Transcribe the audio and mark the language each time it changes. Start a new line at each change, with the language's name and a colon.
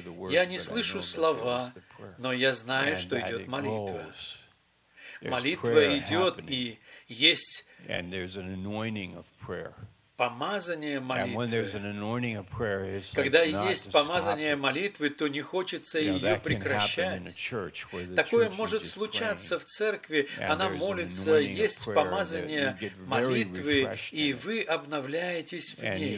Russian: Я не слышу слова, но я знаю, что идет молитва. Молитва идет, и есть
English: And there's an anointing of prayer.
Russian: Помазание молитвы.
English: And when there's an anointing of prayer, it's like
Russian: Когда есть помазание молитвы, то не хочется ее прекращать. Такое может случаться в церкви. Она молится, есть помазание молитвы, и вы обновляетесь в ней.